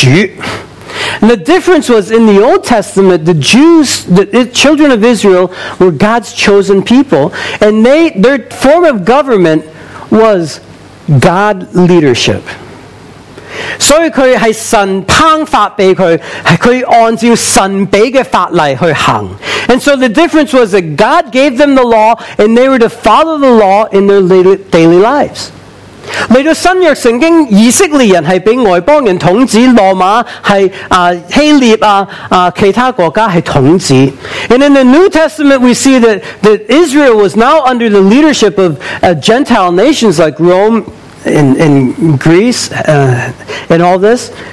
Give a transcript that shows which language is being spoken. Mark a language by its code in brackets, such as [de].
[en] And the difference was in the Old Testament, the Jews, the children of Israel, were God's chosen people, and their form of government was God leadership. So the difference was that God gave them the law, and they were to follow the law in their daily lives. [yue] 来到新约圣经,以色列人是被外邦人统治,罗马是希腊,其他国家是统治. [en] And in the New Testament, we see that Israel was now under the leadership of Gentile nations like Rome and Greece and all this.